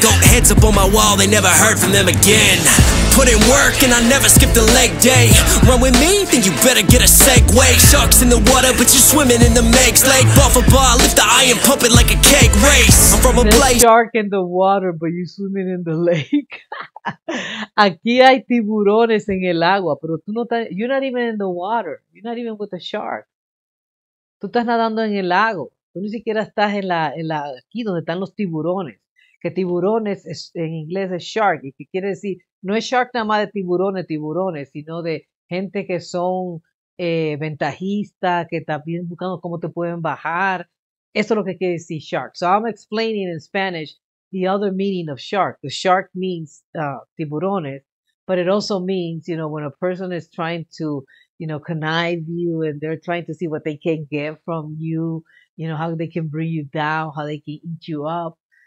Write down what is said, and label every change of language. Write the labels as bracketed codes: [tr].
[en] Goat heads up on my wall, they never heard from them again. Put in work and I never skip the leg day. Run with me, then you better get a segue. Sharks in the water, but you're swimming in the Meg's lake. Bar for bar, lift the iron, pump it like a keg race. I'm from a place. Shark in the water, but you're swimming in the lake. [es] Aquí hay tiburones en el agua, pero tú no estás. [en] You're not even in the water. You're not even with a shark. [es] Tú estás nadando en el lago. Tú ni siquiera estás en la aquí donde están los tiburones. Que tiburones es, en inglés es shark, y que quiere decir, no es shark nada más de tiburones, sino de gente que son ventajistas, que también buscando cómo te pueden bajar. Eso es lo que quiere decir shark. [en] So I'm explaining in Spanish the other meaning of shark. The shark means tiburones, but it also means, you know, when a person is trying to, you know, connive you and they're trying to see what they can get from you, you know, how they can bring you down, how they can eat you up.